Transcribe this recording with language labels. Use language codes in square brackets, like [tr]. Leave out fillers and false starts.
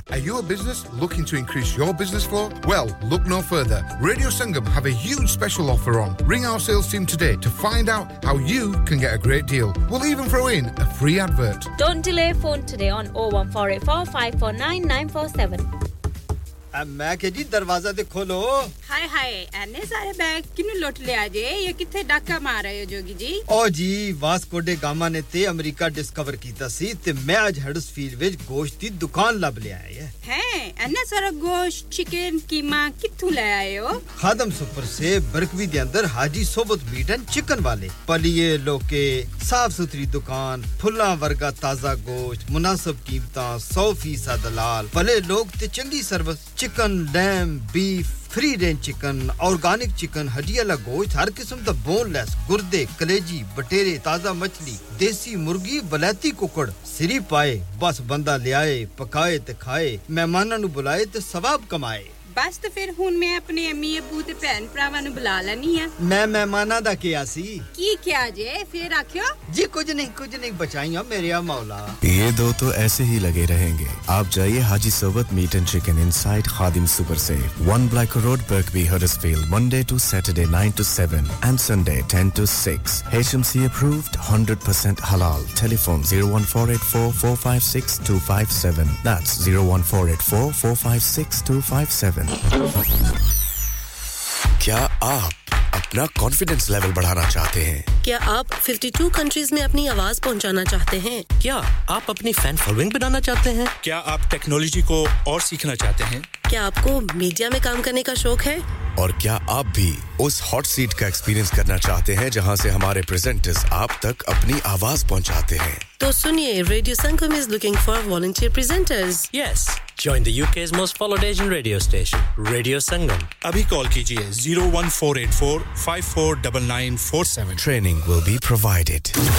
[en] are you business looking to increase your business flow well look no further radio Sangam have a huge special offer on ring our sales team today to find out how you can get a great deal well even throw in a free advert don't delay phone today on 01484549947 [pa] میں کہ جی دروازہ تے کھولو ہائے ہائے اینے سارے bag کینو لوٹ لیا جے یہ کتھے ڈاکا مار رہے ہو جوگی جی او جی واسکو ڈی گاما نے تے امریکہ ڈسکور کیتا سی تے میں اج ہڈس فیلڈ وچ گوشت دی دکان لب لے آیا ہے اینے سارا گوشت چکن کیما کتھوں لے آئے ہو خادم سپر سے برکوی دے اندر حاجی صوبت میٹ اینڈ چکن والے پلیے لوکے صاف ستھری دکان پھلاں ورگا تازہ گوشت مناسب قیمتاں 100% دلال بھلے لوگ تے چنگی service chicken لیم beef free range chicken organic chicken ہڈی والا گوشت ہر قسم دا بون لیس گردے کلیجی بٹیرے تازہ مچھلی دیسی مرغی بلیتی ککڑ سری پائے بس بندہ لیائے پکائے تے کھائے مہماناں نوں بلائے تے ثواب کمائے بس تے پھر ہن میں اپنے امی ابو تے بھن بھراواں نوں بلا لینی ہاں میں مہماناں دا کیا سی کی کیا جے پھر آکھو جی کچھ نہیں بچائیاں میرے مولا [ur] یہ دو تو ایسے ہی لگے رہیں گے آپ جائیے حاجی صوبت meat and chicken inside Khadim super سے one black road Birkby ہڈرسفیلڈ [en] Monday to Saturday 9 to 7 and Sunday 10 to 6 [ur] H M C approved 100% حلال ٹیلی فون 01484456257 دیٹس 01484456257 کیا آپ اپنا کانفیڈنس لیول بڑھانا چاہتے ہیں کیا آپ 52 کنٹریز میں اپنی آواز پہنچانا چاہتے ہیں کیا آپ اپنی فین فالوئنگ بنانا چاہتے ہیں کیا آپ ٹیکنالوجی کو اور سیکھنا چاہتے ہیں کیا آپ کو میڈیا میں کام کرنے کا شوق ہے اور کیا آپ بھی اس ہاٹ سیٹ کا ایکسپیرینس کرنا چاہتے ہیں جہاں سے ہمارے پریزنٹرز آپ تک اپنی آواز پہنچاتے ہیں تو سنیے [en] Radio Sangam is looking for volunteer presenters yes Join the UK's most followed Asian radio station, Radio Sangam. [ur] Abhi call kijiye 01484-549947. [en] Training will be provided.